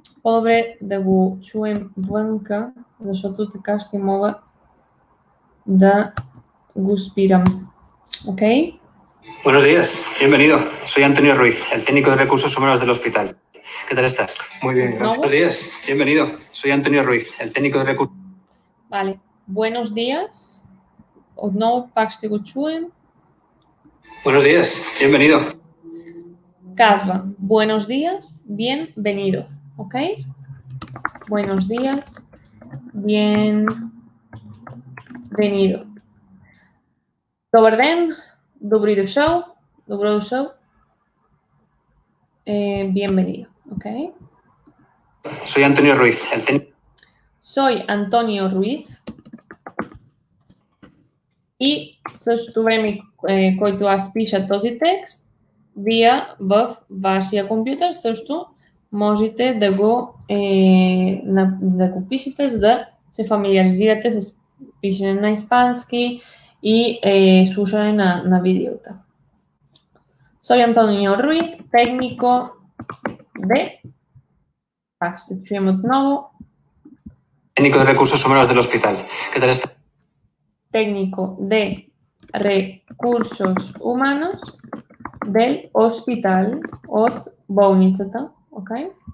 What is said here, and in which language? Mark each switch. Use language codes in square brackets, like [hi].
[bg] По-добре да го чуем вънка, защото така ще мога да го спирам. [en] Okay? [es] Buenos días, bienvenido. Soy Antonio Ruiz, el técnico de recursos humanos del hospital. ¿Qué tal estás? Muy bien, gracias. Buenos días, bienvenido. Soy Antonio Ruiz, el técnico de recursos. Vale, buenos días. [bg] Отново пак ще го чуем. [es] Buenos días, bienvenido. Casva, buenos días, bienvenido. ¿Ok? Buenos días, bienvenido. [bg] Добър ден, добрый дошел, добро дошел, bienvenido. [es] ¿Ok? Soy Antonio Ruiz. Soy Antonio Ruiz. [bg] И същото време, който аз пиша този текст, вие в вашия компютър също можете да го, да го пишете, за да се фамилиаризирате с пишене на испански и слушане на, на видеота. [es] Soy Antonio Ruiz, técnico de... [bg] Так, ще чуем отново. [es] Técnico de recursos humanos del hospital. ¿Qué tal está? Técnico de recursos humanos del hospital [bg] от болницата, [es] okay?